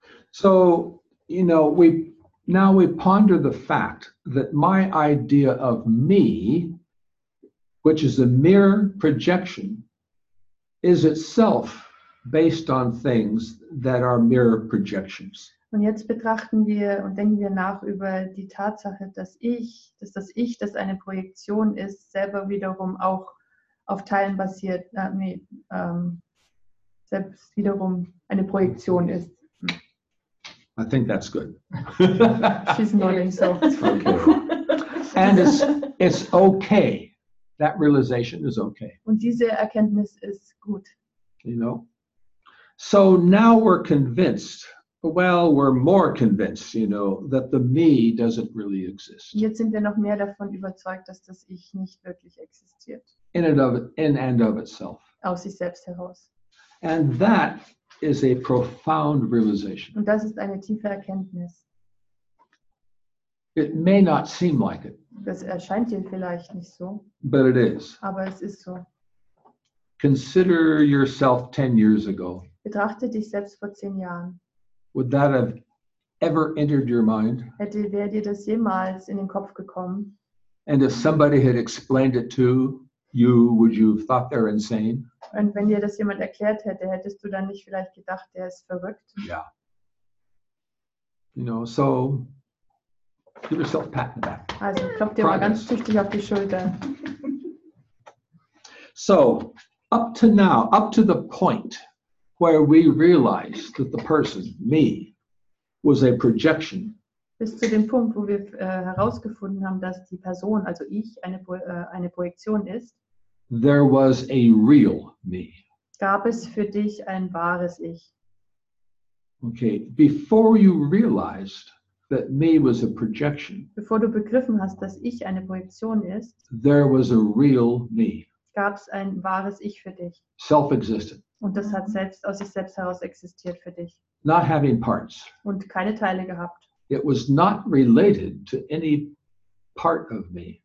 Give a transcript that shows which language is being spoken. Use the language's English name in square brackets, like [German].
[English] So, you know, we ponder the fact that my idea of me, which is a mere projection, is itself based on things that are mere projections. [German] Und jetzt betrachten wir und denken wir nach über die Tatsache, dass das Ich, das eine Projektion ist, selber wiederum auch auf Teilen basiert, selbst wiederum eine Projektion ist. [English] I think that's good. She's nodding, so it's okay. And it's okay. That realization is okay. [German] Und diese Erkenntnis ist gut. [English] You know? So now we're convinced, well, we're more convinced, you know, that the me doesn't really exist. [German] Jetzt sind wir noch mehr davon überzeugt, dass das Ich nicht wirklich existiert. [English] In and of itself. [German] Aus sich selbst heraus. [English] And that is a profound realization. [German] Und das ist eine tiefe Erkenntnis. [English] It may not seem like it. [German] Das erscheint dir vielleicht nicht so. [English] But it is. [German] Aber es ist so. [English] Consider yourself 10 years ago. [German] Betrachte dich selbst vor 10 Jahren. [English] Would that have ever entered your mind? [German] Wäre dir das jemals in den Kopf gekommen? [English] And if somebody had explained it to you, would you have thought they're insane? [German] Und wenn dir das jemand erklärt hätte, hättest du dann nicht vielleicht gedacht, der ist verrückt? Ja. [English] You know, so give yourself a pat on the back. [German] Also klopf dir mal ganz tüchtig auf die Schulter. [English] So, up to now, up to the point where we realized that the person, me, was a projection. [German] Bis zu dem Punkt, wo wir herausgefunden haben, dass die Person, also ich, eine Projektion ist. [English] There was a real me. [German] Gab es für dich ein wahres Ich? [English] Okay, before you realized that me was a projection. [German] Bevor du begriffen hast, dass ich eine Projektion ist. [English] There was a real me. [German] Gab es ein wahres Ich für dich? [English] Self-existent. [German] Und das hat selbst aus sich selbst heraus existiert für dich. [English] Not having parts. [German] Und keine Teile gehabt. [English] It was not related to any part of me.